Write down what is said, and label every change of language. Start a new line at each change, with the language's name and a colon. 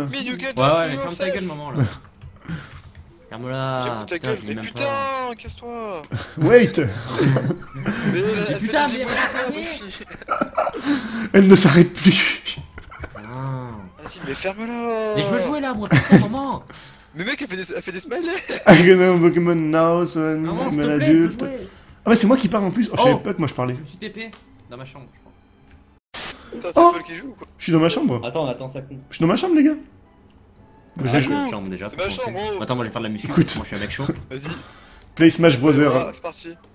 French: Ouais, ouais, mais ferme ta gueule, maman, là. Ferme là. J'ai ta gueule, mais putain, casse-toi.
English: Wait.
French: Mais putain, mais elle ne s'arrête plus. Vas-y, mais ferme là. Mais je veux jouer là, moi, putain, maman. Mais mec, elle fait des smileys.
English: I can have Pokémon now, so I'm an adult.
French: Ah bah c'est moi qui parle en plus. Oh, je savais pas que moi je parlais. Petit TP dans ma chambre. Attends, c'est toi qui joue ou quoi? Je suis dans ma chambre. Attends, ça compte. Je suis dans ma chambre, les gars. Bah, j'ai une chambre déjà. C'est ma chambre, oh. Attends, moi je vais faire de la muscu. Écoute, moi je suis un mec chaud. Vas-y.
English: Play Smash Bros.
French: C'est parti.